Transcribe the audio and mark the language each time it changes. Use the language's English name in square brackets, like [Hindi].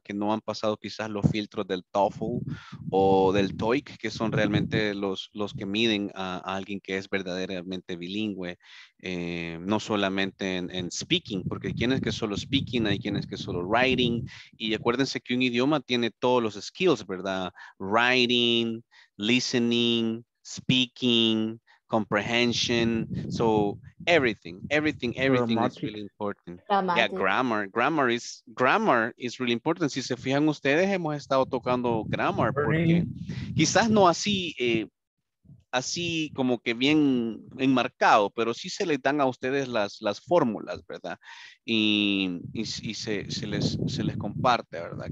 [Spanish] Que no han pasado quizás los filtros del TOEFL o del TOEIC, que son realmente los que miden a alguien que es verdaderamente bilingüe, no solamente en speaking, porque hay quienes que solo speaking, hay quienes que solo writing, y acuérdense que un idioma tiene todos los skills, ¿verdad? [English] Writing, listening, speaking, comprehension, so everything grammatic. Is really important. Grammatic. Yeah, grammar is really important. [Spanish] Si se fijan ustedes, hemos estado tocando grammar porque quizás no así así como que bien enmarcado, pero sí se le dan a ustedes las fórmulas, ¿verdad? Y se les comparte, ¿verdad?